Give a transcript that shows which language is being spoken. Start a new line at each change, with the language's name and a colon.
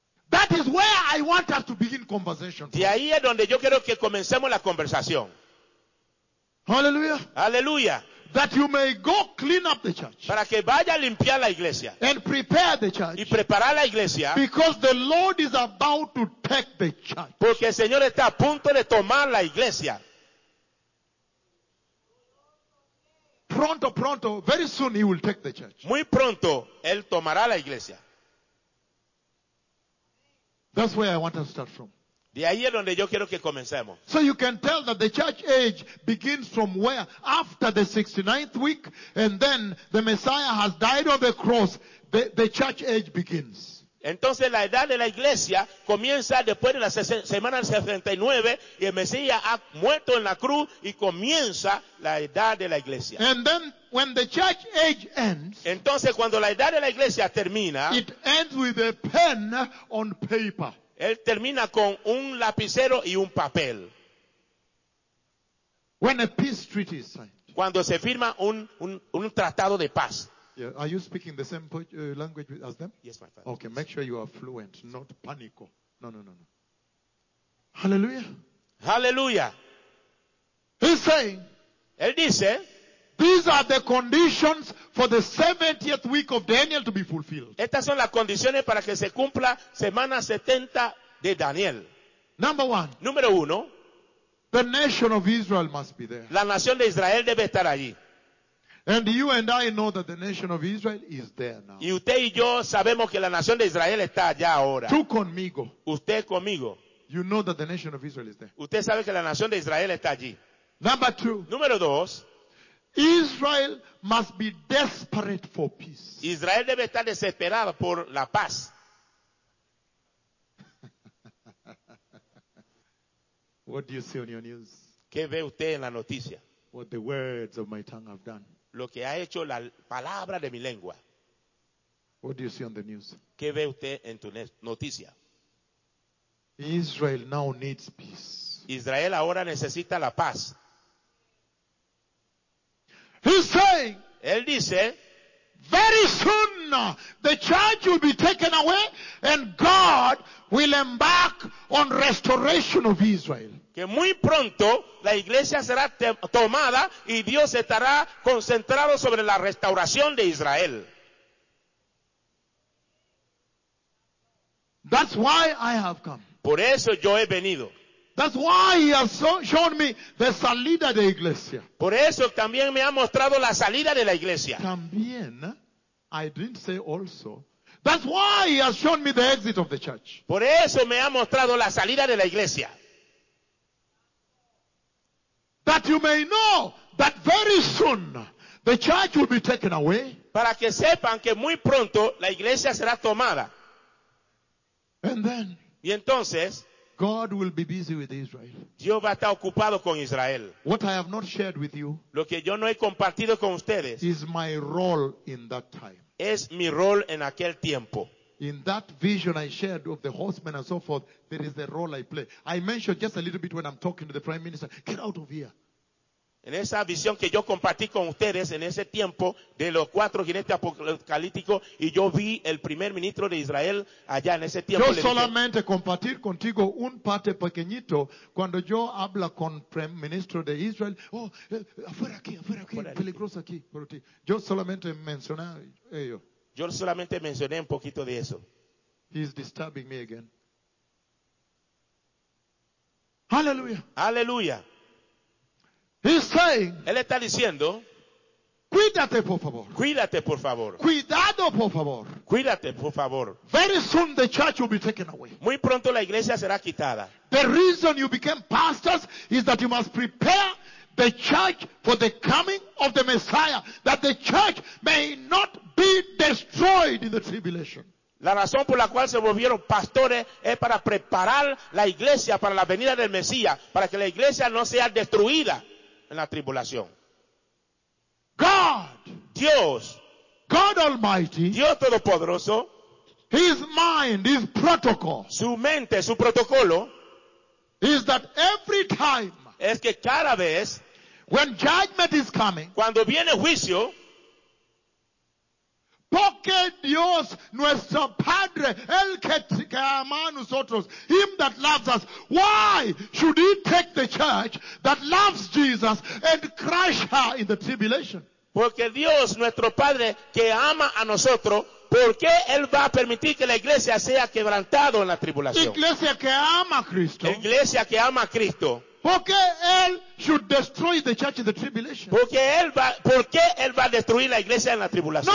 English: That is where I want us to begin conversation.
Spanish: De ahí es donde yo quiero que comencemos la conversación.
English: Hallelujah. Hallelujah. That you may go clean up the church.
Spanish: Para que vaya a limpiar la iglesia.
English: And prepare the church.
Spanish: Y preparar la iglesia.
English: Because the Lord is about to take the church.
Spanish: Porque el Señor está a punto de tomar la iglesia. Pronto,
English: very soon he will take the church.
Spanish: Muy pronto, él tomará la iglesia.
English: That's where I want to start from.
Spanish: De ahí es donde yo quiero que comencemos.
English: So you can tell that the church age begins from where? After the 69th week, and then the Messiah has died on the cross, the church age begins.
Spanish: Entonces la edad de la iglesia comienza después de la semana 69, y el Mesías ha muerto en la cruz, y comienza la edad de la iglesia.
English: And then when the church age ends,
Spanish: entonces cuando la edad de la iglesia termina,
English: it ends with a pen on paper.
Spanish: Él termina con un lapicero y un papel.
English: When a peace treaty is signed.
Spanish: Cuando se firma un tratado de paz.
English: Yeah. Are you speaking the same language as them? Yes, my father. Okay, make sure you are fluent, not panico. No. Hallelujah. Hallelujah. He's saying.
Spanish: Él dice.
English: These are the conditions for the 70th week of Daniel to be fulfilled.
Spanish: Estas son las condiciones para que se cumpla semana 70 de Daniel.
English: Number one.
Spanish: Número uno.
English: The nation of Israel must be there.
Spanish: La nación de Israel debe estar allí.
English: And you and I know that the nation of Israel is there now.
Spanish: Y usted y yo sabemos que la nación de Israel está allá ahora. Tú conmigo. Usted conmigo.
English: You know that the nation of Israel is there.
Spanish: Usted sabe que la nación de Israel está allí.
English: Number two.
Spanish: Número dos.
English: Israel must be desperate for peace.
Spanish: Israel debe estar desesperado por la paz.
English: What do you see on your news?
Spanish: ¿Qué ve usted en la noticia?
English: What the words of my tongue have done.
Spanish: Lo que ha hecho la palabra de mi lengua.
English: What do you see on the news?
Spanish: ¿Qué ve usted en tu noticia?
English: Israel now needs peace.
Spanish: Israel ahora necesita la paz.
English: He's saying,
Spanish: él dice,
English: very soon the charge will be taken away and God will embark on restoration of Israel.
Spanish: Que muy pronto la iglesia será tomada y Dios estará concentrado sobre la restauración de Israel.
English: That's why I have come.
Spanish: Por eso yo he venido.
English: That's why he has shown me the
Spanish: salida de iglesia. Por eso también me ha mostrado la salida de la iglesia. También,
English: I didn't say also. That's why he has shown me the exit of the church.
Spanish: Por eso me ha mostrado la salida de la iglesia.
English: That you may know that very soon the church will be taken away.
Spanish: Para que sepan que muy pronto la iglesia será tomada.
English: And then,
Spanish: y entonces,
English: God will be busy with Israel.
Spanish: Dios va a estar ocupado con Israel.
English: What I have not shared with you,
Spanish: lo que yo no he compartido con ustedes,
English: is my role in that time.
Spanish: Es mi rol en aquel tiempo.
English: In that vision I shared of the horsemen and so forth, there is the role I play. I mentioned just a little bit when I'm talking to the prime minister, get out of here.
Spanish: En esa visión que yo compartí con ustedes en ese tiempo de los cuatro jinetes apocalípticos y yo vi el primer ministro de Israel allá en ese tiempo. Yo solamente compartir contigo un parte pequeñito cuando yo hablo con el primer ministro de Israel. Oh, afuera aquí, peligroso aquí. Por ti. Yo solamente mencioné ello. Yo solamente mencioné un poquito de eso.
English: He's disturbing me again. Hallelujah. Hallelujah. He's saying,
Spanish: él está diciendo, cuídate por favor. Cuídate por favor. Cuidado por favor. Cuídate por favor.
English: Very soon the church will be taken away.
Spanish: Muy pronto la iglesia será quitada.
English: The reason you became pastors is that you must prepare the church for the coming of the Messiah, that the church may not be destroyed in the tribulation.
Spanish: La razón por la cual se volvieron pastores es para preparar la iglesia para la venida del Mesías, para que la iglesia no sea destruida en la tribulación.
English: God,
Spanish: Dios,
English: God Almighty,
Spanish: Dios Todopoderoso,
English: His mind, His protocol,
Spanish: su mente, su protocolo,
English: is that every time,
Spanish: es que cada vez,
English: when judgment is coming,
Spanish: cuando viene juicio, porque Dios, nuestro Padre, el que ama a nosotros,
English: Him that loves us, why should He take the church that loves Jesus and crush her in the tribulation?
Spanish: Porque Dios, nuestro Padre, que ama a nosotros, ¿por qué Él va a permitir que la iglesia sea quebrantada en la tribulación? Iglesia que ama a Cristo. Iglesia que ama a Cristo. ¿Por qué Él
English: should destroy the church in the tribulation?
Spanish: ¿Por qué él va a destruir la iglesia en la tribulación?